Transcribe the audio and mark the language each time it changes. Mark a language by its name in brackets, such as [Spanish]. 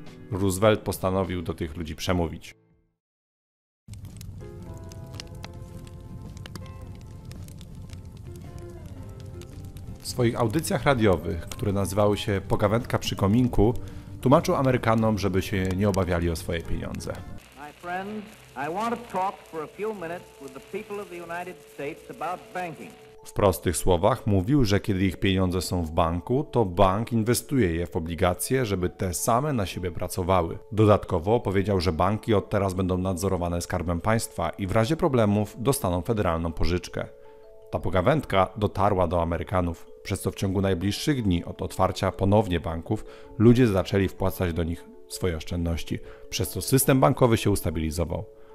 [Polish] Roosevelt postanowił do tych ludzi przemówić. W swoich audycjach radiowych, które nazywały się Pogawędka przy kominku, tłumaczył Amerykanom, żeby się nie obawiali o swoje pieniądze. [English] My friend, I want to talk for a few minutes with the people of the United States about banking. [Polish] W prostych słowach mówił, że kiedy ich pieniądze są w banku, to bank inwestuje je w obligacje, żeby te same na siebie pracowały. Dodatkowo powiedział, że banki od teraz będą nadzorowane skarbem państwa i w razie problemów dostaną federalną pożyczkę. Ta pogawędka dotarła do Amerykanów, przez co w ciągu najbliższych dni od otwarcia ponownie banków ludzie zaczęli wpłacać do nich swoje oszczędności, przez co system bankowy się ustabilizował.